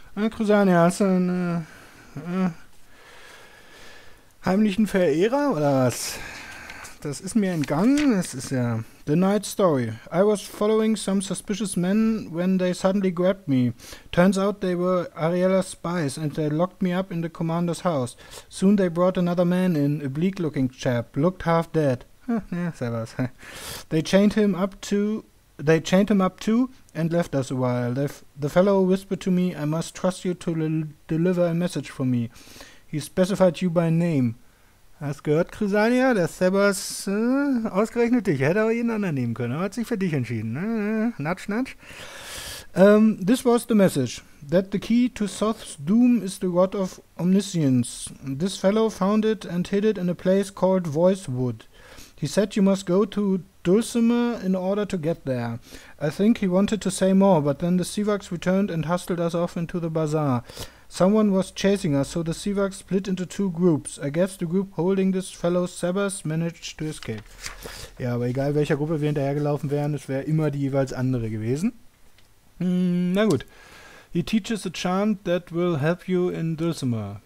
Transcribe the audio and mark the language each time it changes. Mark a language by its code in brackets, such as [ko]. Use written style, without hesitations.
[de] Crusania, hast du einen heimlichen Verehrer oder was? Das ist mir entgangen. Das ist ja The Night Story. [en] I was following some suspicious men when they suddenly grabbed me. Turns out they were Ariella's spies and they locked me up in the commander's house. Soon they brought another man in, a bleak looking chap, looked half dead. Servus. They chained him up too and left us a while. The fellow whispered to me, I must trust you to deliver a message for me. He specified you by name. [de] Hast gehört, Crusania, dass Sebas ausgerechnet dich hätte auch jeden anderen nehmen können. Er hat sich für dich entschieden. [en] Natsch, natsch. This was the message. That the key to Soth's doom is the rod of omniscience. This fellow found it and hid it in a place called Voicewood. He said you must go to Dulcimer in order to get there. I think he wanted to say more, but then the Sivaks returned and hustled us off into the bazaar. Someone was chasing us, so the Sivaks split into two groups. I guess the group holding this fellow Sebas managed to escape. [de] Ja, aber egal welcher Gruppe wir hinterhergelaufen wären, es wäre immer die jeweils andere gewesen. Na gut. [en] He teaches a chant that will help you in Dulcimer.